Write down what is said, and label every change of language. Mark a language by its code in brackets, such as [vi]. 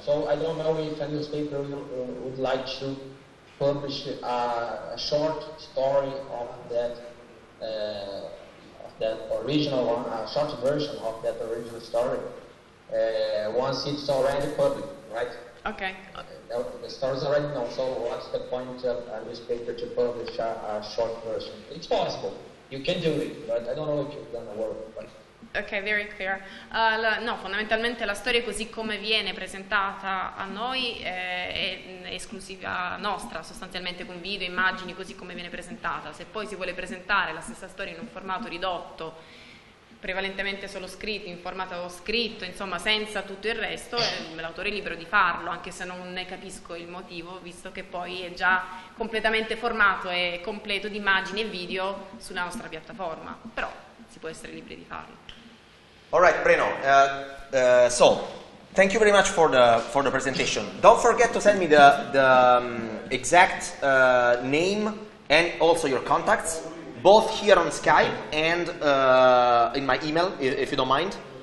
[en] So I don't know if a newspaper would like to publish a short story of that that original one, a short version of that original story, once it's already public, right? Okay. The story's already known, so what's the point of a newspaper to publish a short version? It's possible. You can do it, but I don't know if it's going to work. Ok, very clear. [it] No, fondamentalmente la storia così come viene presentata a noi è esclusiva nostra, sostanzialmente con video, immagini, così come viene presentata. Se poi si vuole presentare la stessa storia in un formato ridotto, prevalentemente solo scritto, in formato scritto, insomma senza tutto il resto, l'autore è libero di farlo, anche se non ne capisco il motivo, visto che poi è già completamente formato e completo di immagini e video sulla nostra piattaforma. Però si può essere liberi di farlo. [en] All right, Breno. So, thank you very much for the presentation. Don't forget to send me the exact name and also your contacts, both here on Skype and in my email, if you don't mind.